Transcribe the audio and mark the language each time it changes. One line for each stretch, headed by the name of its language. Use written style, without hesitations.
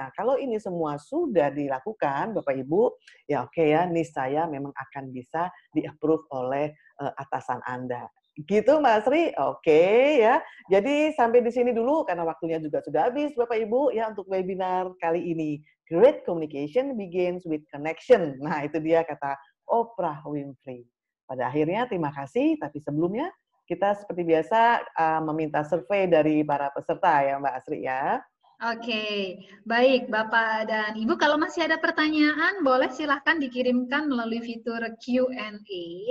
Indonesian: Nah, kalau ini semua sudah dilakukan Bapak Ibu, ya oke ya, niscaya memang akan bisa di-approve oleh atasan Anda. Gitu Mbak Asri, oke ya. Jadi sampai di sini dulu karena waktunya juga sudah habis Bapak Ibu ya untuk webinar kali ini.
English: Great communication begins with connection.
Indonesian: Nah, itu dia kata Oprah Winfrey. Pada akhirnya terima kasih, tapi sebelumnya kita seperti biasa meminta survei dari para peserta ya Mbak Asri ya. Oke, baik Bapak dan Ibu, kalau masih ada pertanyaan, boleh silahkan dikirimkan melalui fitur Q&A.